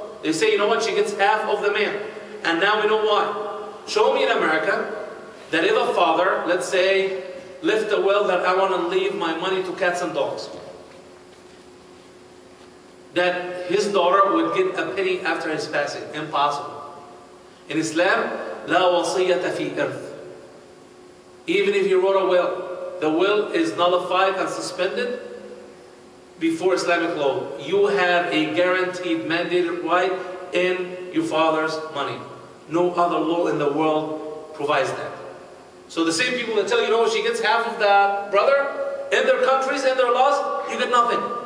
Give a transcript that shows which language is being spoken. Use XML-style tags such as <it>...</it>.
<en>They say, you know what, she gets half of the man. And now we know why. Show me in America that if a father, let's say, left a will that I want to leave my money to cats and dogs, that his daughter would get a penny after his passing. Impossible. In Islam,</en> <ar>لا وصية في إرث.</ar> <en>Even if you wrote a will, the will is nullified and suspended before Islamic law. You have a guaranteed mandated right in your father's money. No other law in the world provides that. So the same people that tell you, oh, she gets half of the brother, in their countries, in their laws, you get nothing.</en>